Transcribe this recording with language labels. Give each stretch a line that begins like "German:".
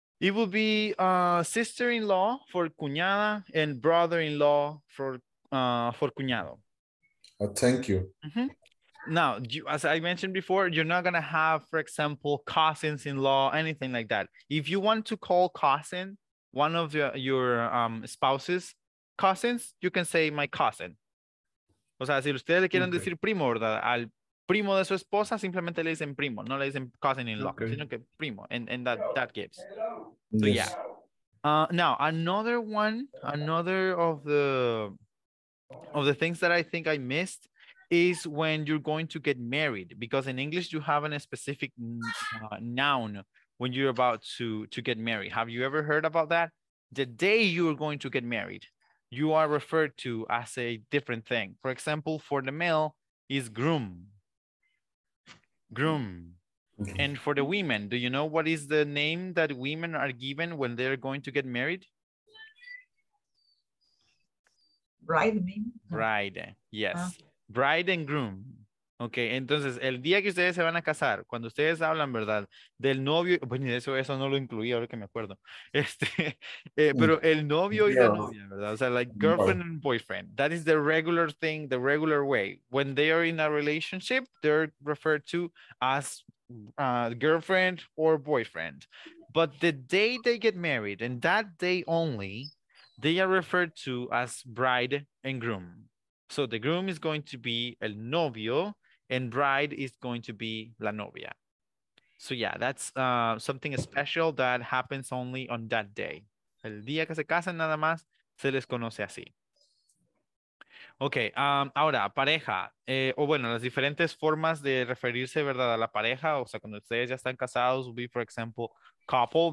English: It would be sister-in-law for cuñada and brother-in-law for cuñado. Oh, thank you. Mm-hmm. Now, as I mentioned before, you're not going to have, for example, cousins-in-law, anything like that. If you want to call cousin, one of your spouses' cousins, you can say my cousin.
Spanish: O sea, si ustedes le quieren decir primo, ¿verdad? Al primo de su esposa, simplemente le dicen primo. No le dicen cousin-in-law, sino que primo.
English: And that gives. So, yeah. Now, another of the things that I think I missed is when you're going to get married. Because in English, you have a specific noun when you're about to get married. Have you ever heard about that? The day you're going to get married, you are referred to as a different thing. For example, for the male is groom. Groom. And for the women, do you know what is the name that women are given when they're going to get married? Bride. Yes. Bride and groom.
Spanish: Okay, entonces, el día que ustedes se van a casar, cuando ustedes hablan, ¿verdad? Del novio, bueno, eso no lo incluí, ahora que me acuerdo. Pero el novio y la novia, ¿verdad? O sea,
English: like girlfriend and boyfriend. That is the regular thing, the regular way. When they are in a relationship, they're referred to as girlfriend or boyfriend. But the day they get married, and that day only, they are referred to as bride and groom. So the groom is going to be el novio and bride is going to be la novia. So yeah, that's something special that happens only on that day.
Spanish: El día que se casan nada más, se les conoce así. Okay, ahora, pareja. Las diferentes formas de referirse, ¿verdad? A la pareja, o sea, cuando ustedes ya están casados,
English: we, for example, couple.